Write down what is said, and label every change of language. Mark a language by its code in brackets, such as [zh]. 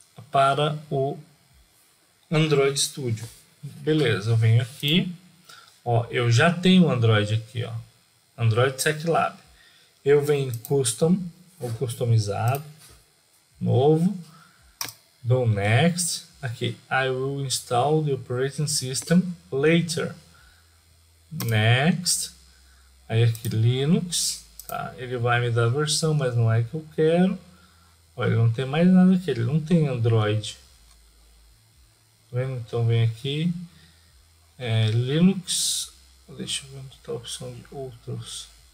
[pt] Para o Android Studio. Beleza, eu venho aqui. Ó, eu já tenho o Android aqui, ó. Android SecLab. Eu venho em Custom, ou customizado, novo, dou Next. Aqui, [en] I will install the operating system later. [pt] Next, aí aqui Linux, tá? Ele vai me dar a versão, mas não é que eu quero. Olha, ele não tem mais nada aqui, ele não tem Android. Tá vendo? Então vem aqui, Linux, deixa eu ver onde está a opção de outros.